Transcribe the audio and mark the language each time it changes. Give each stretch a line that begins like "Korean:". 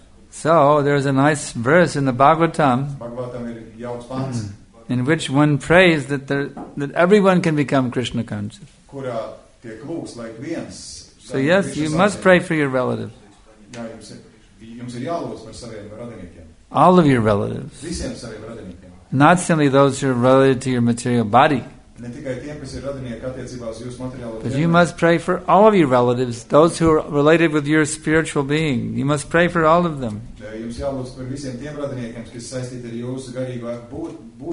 English: So, there is a nice verse in the Bhagavatam. In which one prays that that everyone can become Krishna conscious.
Latvian: Kurā tiek lūgts, lai viens,
English: so yes, you must pray for your relative.
Latvian: Jā, jums ir jālūdz par saviem radiniekiem.
English: All of your relatives.
Latvian: Visiem saviem radiniekiem.
English: Not simply those who are related to your material body.
Latvian: Ne tikai tiem, kas ir radinieki attiecībā uz jūsu materiālo dzīvi.
English: But you must pray for all of your relatives, those who are related with your spiritual being. You must pray for all of them.
Latvian: Jums jālūdz par visiem tiem radiniekiem, kas saistīti ar jūsu garīgo būtību.